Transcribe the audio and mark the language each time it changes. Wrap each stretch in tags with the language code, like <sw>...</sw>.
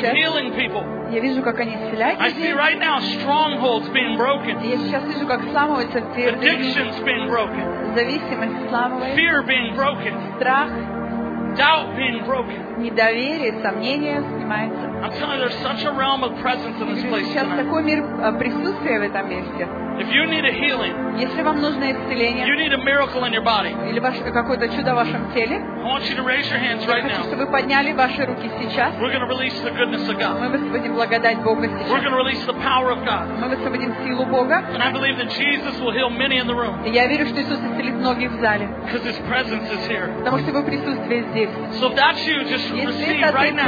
<en>I see them healing people.</en> <ru>Я вижу, как они исцеляют людей.</ru> <en>I see right now strongholds being broken.</en> <ru>Я сейчас вижу, как сламываются все.</ru> <en>Addictions being broken.</en> <ru>Зависимость сламывается.</ru> <en>Fear being broken.</en> <ru>Страх.</ru> <en>Doubt being broken.</en> <ru>Недоверие, сомнение снимается.</ru> <en>I'm telling you, there's such a realm of presence in this place.</en> <ru>Сейчас такой мир присутствия в этом месте.</ru> <en>If you need a healing,</en> <ru>если вам нужно исцеление,</ru> <en>you need a miracle in your body,</en> <ru>или какое-то чудо в вашем теле,</ru> <en>I want you to raise your hands right now.</en> <ru>Я хочу, чтобы вы подняли ваши руки сейчас.</ru> <en>We're going to release the goodness of God.</en> <ru>Мы высвободим благодать Бога сейчас.</ru> <en>We're going to release the power of God.</en> <ru>Мы высвободим силу Бога.</ru> <en>And I believe that Jesus will heal many in the room.</en> <ru>Я верю, что Иисус исцелит многих в зале.</ru> <en>Because His presence is here.</en> <ru>Потому что Его присутствие здесь.</ru> <en>So if that's you, just receive right now.</en>